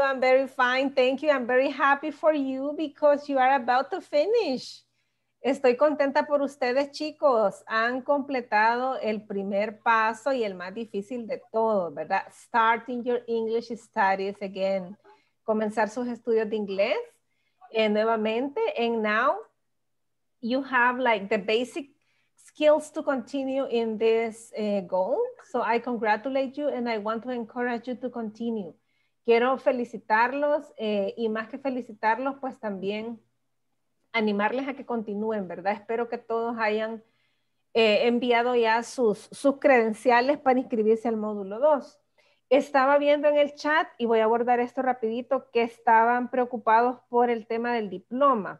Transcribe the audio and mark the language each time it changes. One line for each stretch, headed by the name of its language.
English: I'm very fine, thank you. I'm very happy for you because you are about to finish.
Spanish: Estoy contenta por ustedes, chicos. Han completado el primer paso y el más difícil de todo, ¿verdad?
English: Starting your English studies again.
Spanish: Comenzar sus estudios de inglés nuevamente.
English: And now you have like the basic skills to continue in this goal. So I congratulate you and I want to encourage you to continue.
Spanish: Quiero felicitarlos y más que felicitarlos, pues también animarles a que continúen, ¿verdad? Espero que todos hayan enviado ya sus credenciales para inscribirse al módulo 2. Estaba viendo en el chat, y voy a abordar esto rapidito, que estaban preocupados por el tema del diploma.